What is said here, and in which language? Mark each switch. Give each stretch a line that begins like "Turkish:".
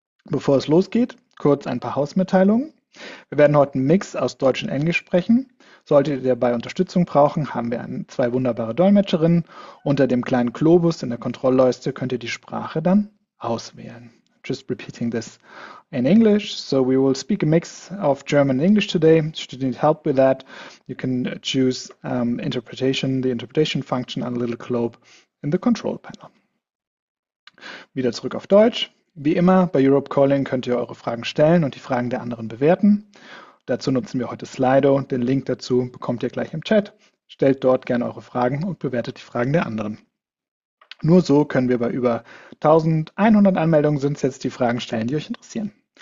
German: Bevor es losgeht, kurz ein paar Hausmitteilungen. Wir werden heute einen Mix aus Deutsch und Englisch sprechen. Solltet ihr dabei Unterstützung brauchen, haben wir zwei wunderbare Dolmetscherinnen. Unter dem kleinen Globus in der Kontrollleiste könnt ihr die Sprache dann auswählen.
English: Just repeating this in English. So we will speak a mix of German and English today. Should you need help with that, you can choose the interpretation function and a little globe in the control panel.
German: Wieder zurück auf Deutsch. Wie immer bei Europe Calling könnt ihr eure Fragen stellen und die Fragen der anderen bewerten. Dazu nutzen wir heute Slido. Den Link dazu bekommt ihr gleich im Chat. Stellt dort gerne eure Fragen und bewertet die Fragen der anderen. Nur so können wir bei über 1100 Anmeldungen sind es jetzt die Fragen stellen, die euch interessieren.